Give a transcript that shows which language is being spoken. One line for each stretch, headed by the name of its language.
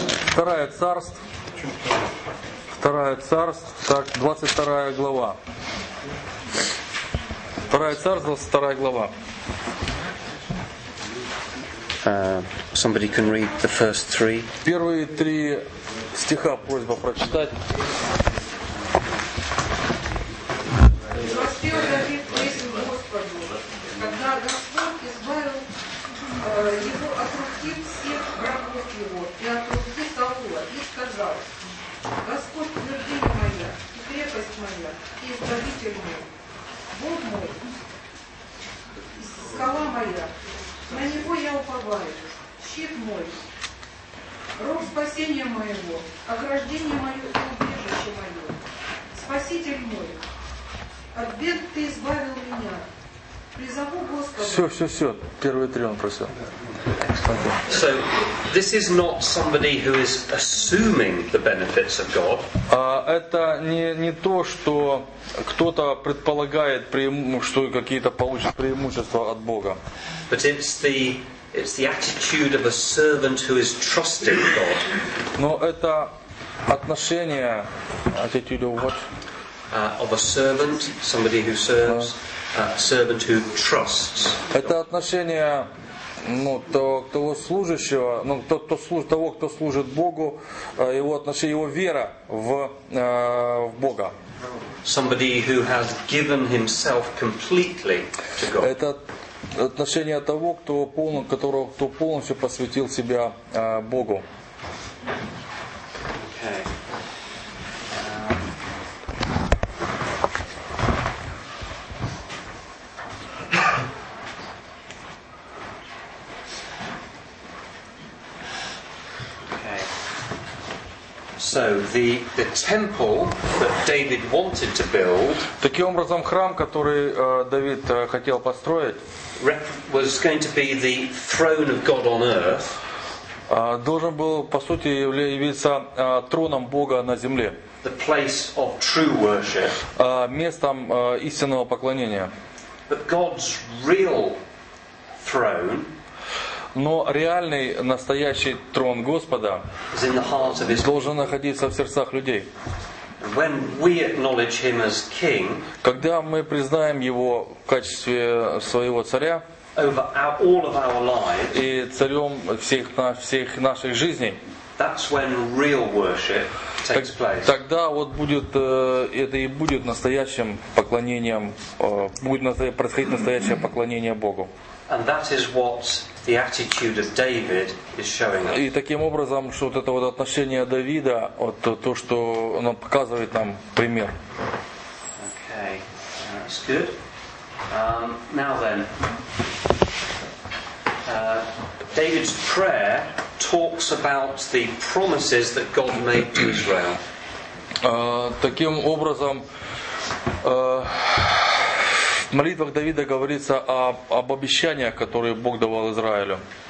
Russian: Вторая царств. Вторая царств. Так, 22 глава. Вторая царств, 22 глава.
English: Somebody can read the first three.
Russian: Первые три стиха просьба прочитать. Его от руки всех врагов его и от руки Саула и сказал: Господь, твердыня моя и крепость моя и избавитель мой, Бог мой, скала моя, на него я уповаю, щит мой, рог спасения моего, ограждение мое и убежище мое, спаситель мой, от бед ты избавил меня. Все. Первые три он просил.
English: So, this is not somebody who is assuming the benefits of God.
Russian: Это не то, что кто-то предполагает, что какие-то получит преимущества от Бога.
English: But it's the attitude of a servant who is trusting God.
Russian: Но это отношение,
English: attitude of what? Of a servant, somebody who serves. Servant who trusts.
Russian: Это отношение, того служащего, кто служит Богу, его отношение, его вера в Бога.
English: Somebody who has given himself completely to God.
Russian: Это отношение того, кто полностью посвятил себя Богу.
English: So the temple that David wanted to build.
Russian: Таким образом, храм, который Давид хотел построить,
English: was going to be the throne of God on earth.
Russian: Должен был, по сути, являться троном Бога на земле.
English: The place of true worship.
Russian: Местом истинного поклонения.
English: But God's real throne.
Russian: Но реальный, настоящий трон Господа должен находиться в сердцах людей.
English: King,
Russian: когда мы признаем Его в качестве своего царя
English: lives,
Russian: и царем всех наших жизней,
English: that's when real worship takes place.
Russian: Тогда вот будет, это и будет настоящим поклонением, будет происходить настоящее поклонение Богу.
English: And that is what the attitude of David is showing us.
Russian: И таким образом, что это отношение Давида, то, что он показывает нам пример.
English: Okay, that's good. Now then, David's prayer talks about the promises that God made to Israel.
Russian: Таким образом. В молитвах Давида говорится об обещаниях, которые Бог давал Израилю.